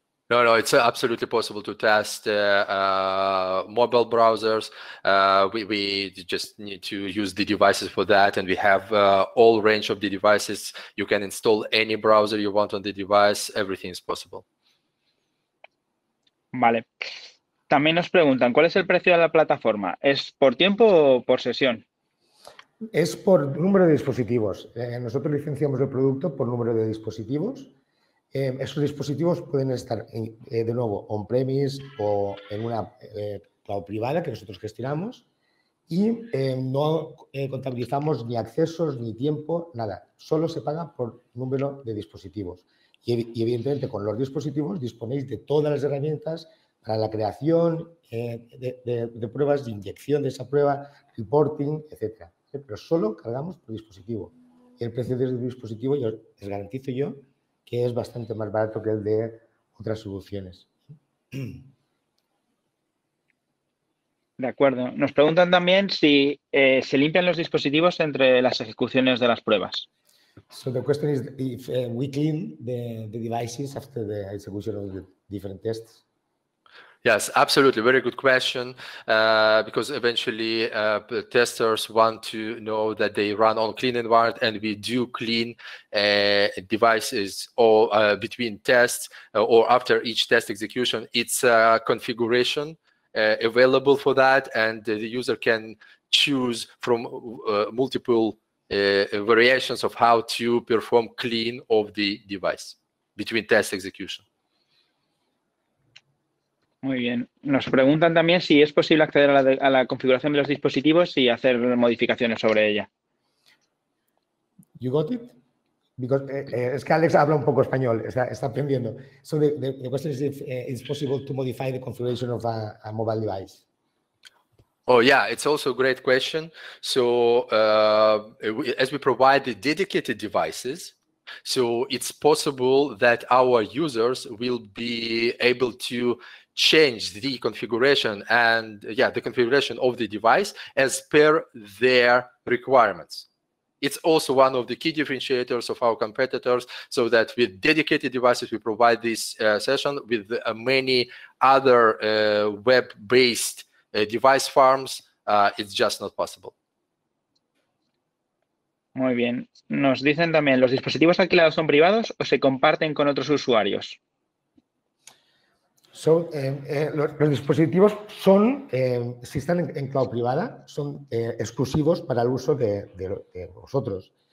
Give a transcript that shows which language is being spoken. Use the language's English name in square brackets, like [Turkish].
[English] No, no, it's absolutely possible to test mobile browsers. We just need to use the devices for that, and we have all range of the devices. You can install any browser you want on the device. Everything is possible. [Spanish] Vale. También nos preguntan, ¿cuál es el precio de la plataforma? ¿Es por tiempo o por sesión? Es por número de dispositivos. Nosotros licenciamos el producto por número de dispositivos. Esos dispositivos pueden estar, de nuevo, on-premise o en una cloud privada que nosotros gestionamos y no contabilizamos ni accesos, ni tiempo, nada. Solo se paga por número de dispositivos. Y evidentemente, con los dispositivos disponéis de todas las herramientas para la creación de pruebas, de inyección de esa prueba, reporting, etcétera. Pero solo cargamos por dispositivo. Y el precio del dispositivo, yo les garantizo yo, que es bastante más barato que el de otras soluciones. De acuerdo. Nos preguntan también si se limpian los dispositivos entre las ejecuciones de las pruebas. [English] So the question is if we clean the devices after the execution of the different tests. Yes, absolutely. Very good question. Because eventually testers want to know that they run on clean environment, and we do clean devices or between tests or after each test execution. It's a configuration available for that, and the user can choose from multiple variations of how to perform clean of the device between test execution. [Spanish] Muy bien. Nos preguntan también si es posible acceder a la configuración de los dispositivos y hacer modificaciones sobre ella. [English] You got it? Because [Spanish] es que Alex habla un poco español, está aprendiendo. [English] So the question is if it's possible to modify the configuration of a mobile device. Oh yeah, it's also a great question. So as we provide the dedicated devices, so it's possible that our users will be able to change the configuration and the configuration of the device as per their requirements. It's also one of the key differentiators of our competitors, so that with dedicated devices we provide this session with many other web-based device farms. It's just not possible. [Spanish] Muy bien. Nos dicen también, ¿los dispositivos alquilados son privados o se comparten con otros usuarios? So, los dispositivos son, si están en cloud privada, son exclusivos para el uso de vosotros.